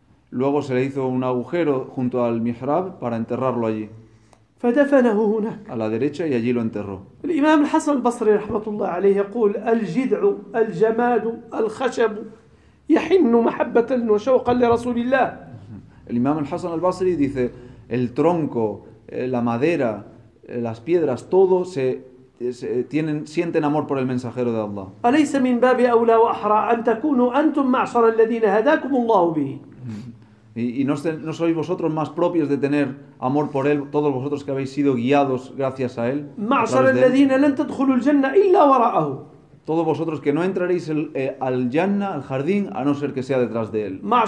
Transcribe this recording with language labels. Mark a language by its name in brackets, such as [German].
[Spanish] Luego se le hizo un agujero junto al mihrab para enterrarlo allí. [Arabic] فدفنه هناك. [Spanish] A la derecha y allí lo enterró. [Arabic] الإمام الحسن البصري رحمة الله عليه يقول الجذع الجماد الخشب يحن محبة وشوقا لرسول الله. [Spanish] El imam al-Hasan al-Basri dice el tronco, la madera, las piedras, todo sienten amor por el mensajero de Allah. [Arabic] أليس من باب أولى وأحرى أن تكونوا أنتم معشر الذين هداكم الله به. [Spanish] Y no sois vosotros más propios de tener amor por él, todos vosotros que habéis sido guiados gracias a él. Todos vosotros que no entraréis al Jannah, al jardín, a no ser que sea detrás de él.